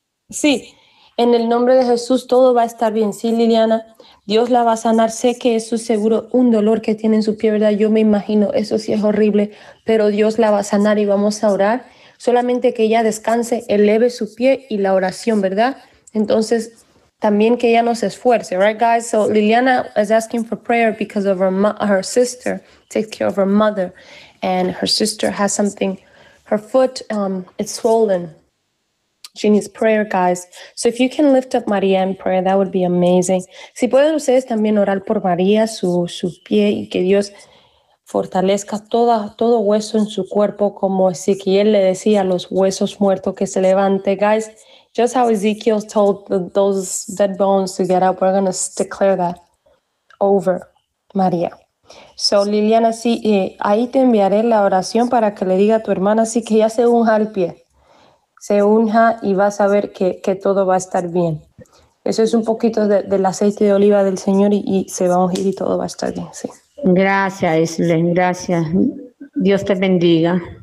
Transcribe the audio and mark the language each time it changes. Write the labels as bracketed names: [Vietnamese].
[Spanish] Sí, en el nombre de Jesús todo va a estar bien, ¿sí, Liliana? Dios la va a sanar. Sé que eso es seguro un dolor que tiene en su pie, ¿verdad? Yo me imagino, eso sí es horrible, pero Dios la va a sanar y vamos a orar. Solamente que ella descanse, eleve su pie y la oración, ¿verdad? Entonces, también que ella nos esfuerce, [English] right, guys? So, Liliana is asking for prayer because of her sister, take care of her mother, and her sister has something, her foot, it's swollen. She needs prayer, guys. So if you can lift up María in prayer, that would be amazing. [Spanish] Si pueden ustedes también orar por María, su pie, y que Dios fortalezca todo hueso en su cuerpo, como Ezequiel le decía, los huesos muertos que se levante. [English] Guys, just how Ezequiel told those dead bones to get up, we're going to declare that over María. So Liliana, [Spanish] sí, ahí te enviaré la oración para que le diga a tu hermana, así que ya se unja el pie. Se unja y vas a ver que todo va a estar bien. Eso es un poquito del aceite de oliva del Señor y se va a ungir y todo va a estar bien, sí. Gracias, Islen, gracias. Dios te bendiga.